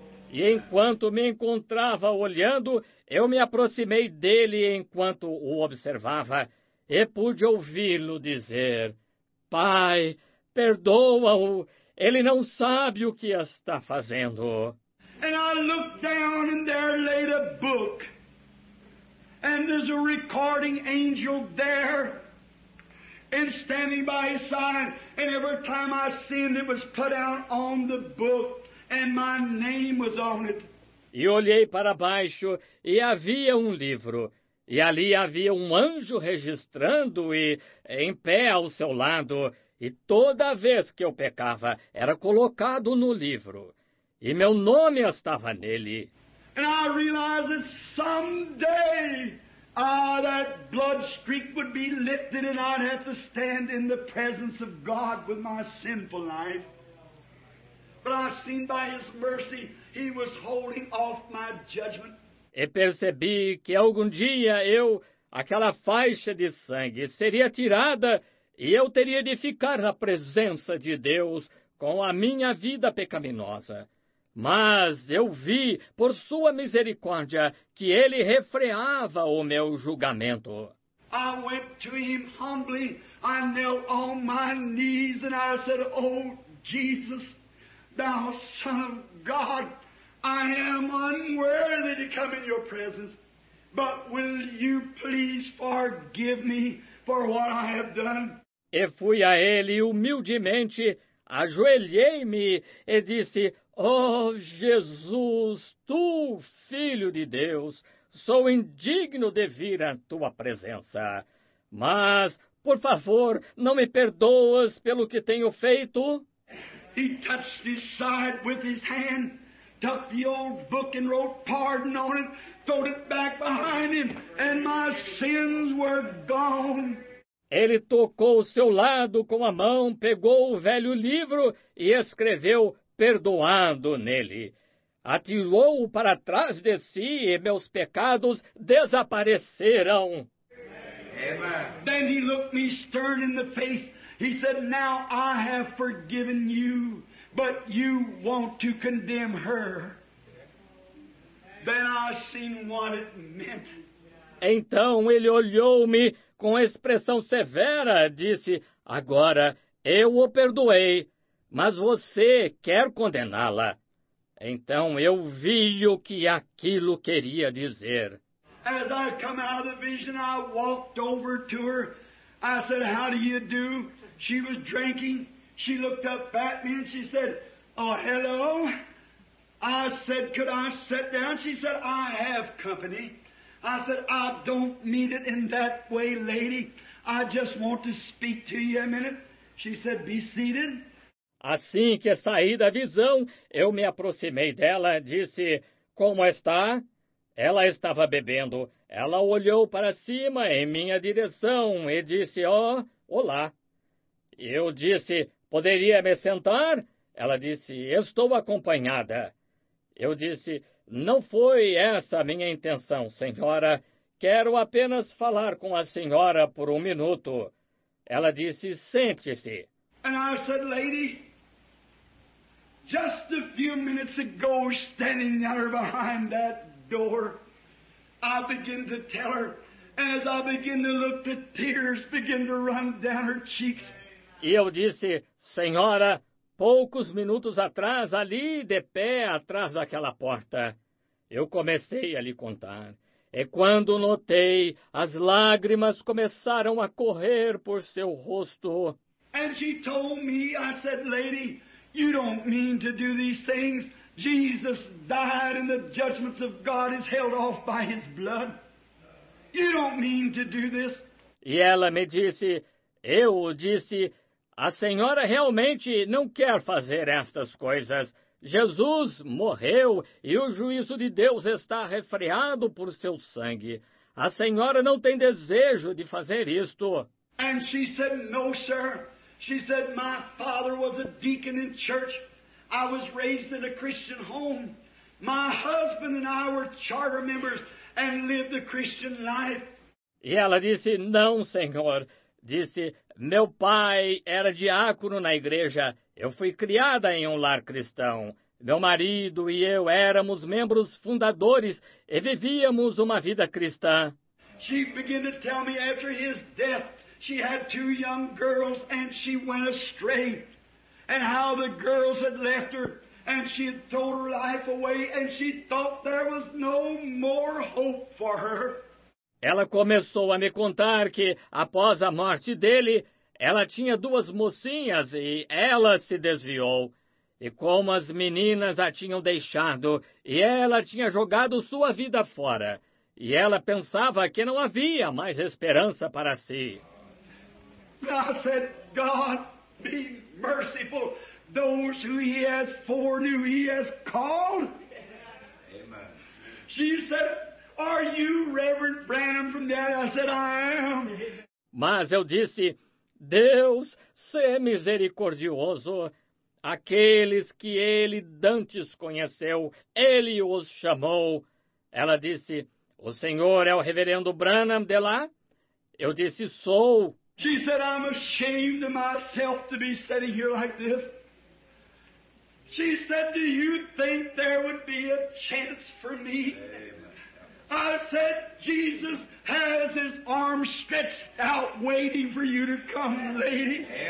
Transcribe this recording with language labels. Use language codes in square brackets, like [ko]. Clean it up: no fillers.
[pt] E enquanto me encontrava olhando, eu me aproximei dele enquanto o observava. E pude ouvi-lo dizer, Pai, perdoa-o, ele não sabe o que está fazendo. [en] And I looked down and there lay the book. And there's a recording angel there. And standing by his side, and every time I sinned, it was put out on the book, and my name was on it. [pt] E olhei para baixo e havia um livro. E ali havia um anjo registrando e em pé ao seu lado. E toda vez que eu pecava, era colocado no livro. E meu nome estava nele. [en] And I realized that someday, that blood streak would be lifted and I'd have to stand in the presence of God with my sinful life. But I seen by His mercy, He was holding off my judgment. [pt] E percebi que algum dia eu, aquela faixa de sangue, seria tirada e eu teria de ficar na presença de Deus com a minha vida pecaminosa. Mas eu vi, por sua misericórdia, que ele refreava o meu julgamento. [en] I went to him humbly. I knelt on my knees and I said, Oh, Jesus, thou Son of God, I am unworthy to come in your presence. But will you please forgive me for what I have done? [pt] E fui a ele humildemente, ajoelhei-me e disse, Oh, Jesus, Tu, Filho de Deus, sou indigno de vir à Tua presença. Mas, por favor, não me perdoas pelo que tenho feito? [en] He touched his side with his hand, tucked the old book and wrote pardon on it, threw it back behind him, and my sins were gone. [pt] Ele tocou o seu lado com a mão, pegou o velho livro e escreveu, perdoando nele. Atirou-o para trás de si e meus pecados desapareceram. [en] Then he looked me stern in the face. He said, Now I have forgiven you, but you want to condemn her. Then I seen what it meant. [pt] Então ele olhou-me com expressão severa e disse, Agora eu o perdoei. Mas você quer condená-la. Então eu vi o que aquilo queria dizer. [en] As I come out of the vision, I walked over to her. I said, How do you do? She was drinking. She looked up at me and she said, Oh, hello. I said, Could I sit down? She said, I have company. I said, I don't mean it in that way, lady. I just want to speak to you a minute. She said, Be seated. [pt] Assim que saí da visão, eu me aproximei dela, disse, Como está? Ela estava bebendo. Ela olhou para cima em minha direção e disse, Oh, olá. Eu disse, Poderia me sentar? Ela disse, Estou acompanhada. Eu disse, Não foi essa a minha intenção, senhora. Quero apenas falar com a senhora por um minuto. Ela disse, Sente-se. [en] And I said, Lady... Just a few minutes ago, standing there behind that door, I began to tell her, as I began to look, the tears began to run down her cheeks. [pt] E eu disse, Senhora, poucos minutos atrás, ali de pé atrás daquela porta, eu comecei a lhe contar. E quando notei, as lágrimas começaram a correr por seu rosto. [en] And she told me, I said, Lady... You don't mean to do these things. Jesus died and the judgments of God is held off by His blood. You don't mean to do this. [pt] E ela me disse, eu disse, a senhora realmente não quer fazer estas coisas. Jesus morreu e o juízo de Deus está refreado por seu sangue. A senhora não tem desejo de fazer isto. [en] And she said, no, sir. She said, my father was a deacon in church. I was raised in a Christian home. My husband and I were charter members and lived a Christian life. [pt] E ela disse, não, senhor. Disse, meu pai era diácono na igreja. Eu fui criada em um lar cristão. Meu marido e eu éramos membros fundadores e vivíamos uma vida cristã. [en] She began to tell me after his death, She had two young girls and she went astray. And how the girls had left her and she had thrown her life away and she thought there was no more hope for her. [pt] Ela começou a me contar que após a morte dele, ela tinha duas mocinhas e ela se desviou. e como as meninas a tinham deixado, e ela tinha jogado sua vida fora, e ela pensava que não havia mais esperança para si. [en] I said, God, be merciful. Those who he has foreknew, he has called. Amen. She said, are you Reverend Branham from that? I said, I am. [pt] Mas eu disse, Deus, sê misericordioso. Aqueles que ele dantes conheceu, ele os chamou. Ela disse, o senhor é o Reverendo Branham de lá? Eu disse, sou. [en] She said, I'm ashamed of myself to be sitting here like this. She said, do you think there would be a chance for me? I said, Jesus has his arms stretched out waiting for you to come, lady.